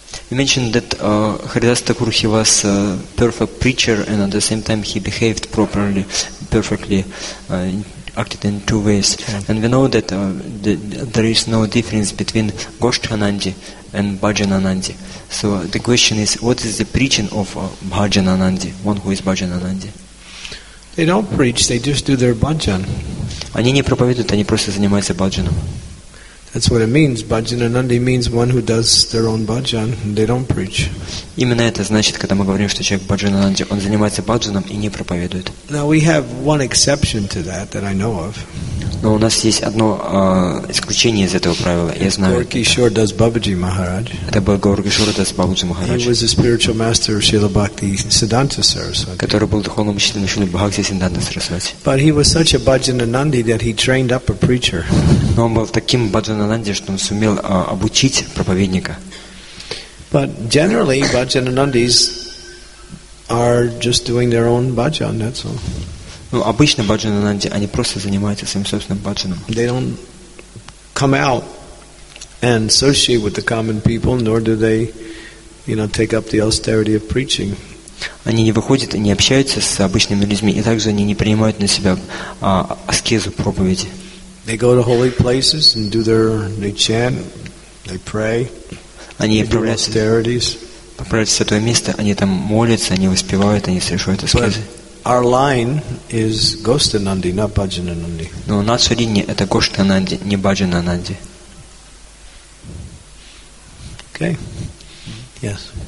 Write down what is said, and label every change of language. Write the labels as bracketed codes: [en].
[en] You mentioned that Haridas Thakur, he was a perfect preacher, and at the same time he behaved properly, perfectly, acted in two ways. Okay. And we know that there is no difference between Goshthanandi and Bhajanandi. So the question is, what is the preaching of Bhajanandi, one who is Bhajanandi? They don't preach, they just do their bhajan. [ru] Они не проповедуют, они просто занимаются бхаджаном. [en] That's what it means. Bhajananandi means one who does their own bhajan. They don't preach. [ru] Именно это значит, когда мы говорим, что человек бхаджананди, он занимается бхаджаном и не проповедует. [en] Now we have one exception to that that I know of. [ru] Но у нас есть одно исключение из этого правила. Я знаю. [en] Gorky Shore does Babaji Maharaj. [ru] Это был Gorky Shore does Babaji Maharaj. [en] He was a spiritual master of Srila Bhakti Siddhanta Saraswati. [ru] Который был духовным учителем Шрилы Бхакти Сиддханта Сарасвати. [en] But he was such a bhajananandi that he trained up a preacher. [ru] Но он был таким бхаджананди, что он сумел обучить проповедника. [en] But generally, bhajanandis are just doing their own bhajan. That's all. [ru] Ну, обычно бхаджананди, они просто занимаются своим собственным бхаджаном. [en] They don't come out and associate with the common people, nor do they, you know, take up the austerity of preaching. [ru] Они не выходят и не общаются с обычными людьми, и также они не принимают на себя аскезу проповеди. [en] They go to holy places and do they chant, they pray, [ru] они [en] they do austerities. [ru] Поправляются в святое место, они там молятся, они воспевают, они совершают аскезы. [en] Our line is Goshthananandi, not Bhajanananandi. [ru] Но наша линия это Goshthananandi, не Bhajanananandi. [en] Okay. Yes.